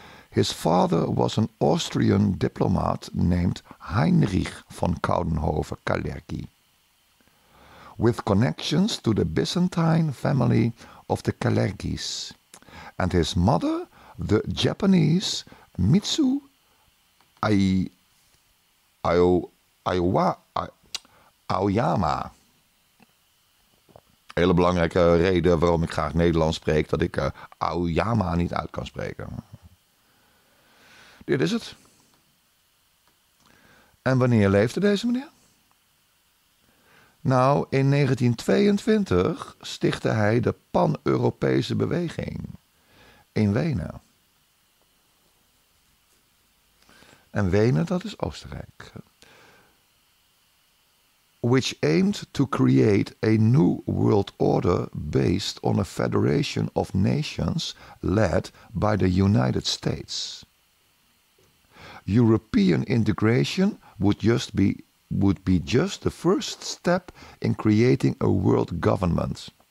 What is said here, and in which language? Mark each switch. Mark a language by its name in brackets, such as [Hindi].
[English] His father was an Austrian diplomat named Heinrich von Koudenhoven Kalergi, with connections to the Byzantine family of the Kalergis, and his mother, the Japanese Mitsu Aoyama. [Dutch] Hele belangrijke reden waarom ik graag Nederlands spreek, dat ik Aoyama niet uit kan spreken. Dit is het. En wanneer leefde deze meneer? Nou, in 1922 stichtte hij de Pan-Europese Beweging in Wenen. En Wenen, dat is Oostenrijk. [English] Which aimed to create a new world order based on a federation of nations led by the United States. European integration would be just the first step in creating a world government.